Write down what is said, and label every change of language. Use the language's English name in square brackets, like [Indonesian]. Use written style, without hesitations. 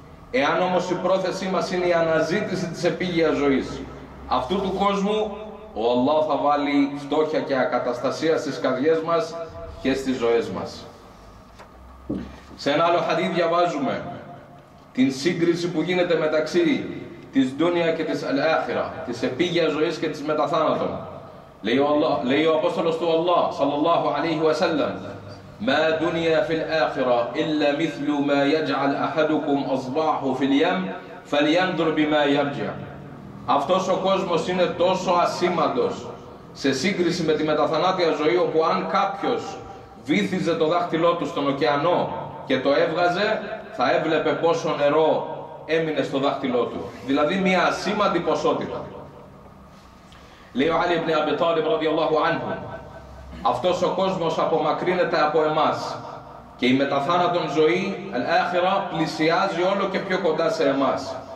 [Greek] Εάν όμως η πρόθεσή μας είναι η αναζήτηση της επίγειας ζωής αυτού του κόσμου, ο Αλλάχ θα βάλει φτώχεια και ακαταστασία στις καρδιές μας και στις ζωές μας. Σε ένα άλλο χαδί διαβάζουμε την σύγκριση που γίνεται μεταξύ της ντούνια και της αλ-άχιρα, της επίγειας ζωής και της μεταθάνατον. ليو أبوصلوس تو [Arabic] الله صلى الله عليه وسلم ما دنيا في الآخرة إلا مثل ما يجعل أحدكم أصبعه في اليم فلينظر بما يرجع. [Greek] Αυτός ο κόσμος είναι τόσο ασήμαντος σε σύγκριση με τη μεταθανάτια ζωή, όπου αν κάποιος βύθιζε το δάχτυλό του στον ωκεανό και το έβγαζε, θα έβλεπε πόσο νερό έμεινε στο δάχτυλό του. Δηλαδή μια ασήμαντη ποσότητα. Λέει ο Άλι ιμνε Αμπι Τάλιμ ραδιαλλάχου άνχου, αυτός ο κόσμος απομακρύνεται από εμάς και η μεταθάνατον ζωή, αλ-άχιρα, πλησιάζει όλο και πιο κοντά σε εμάς.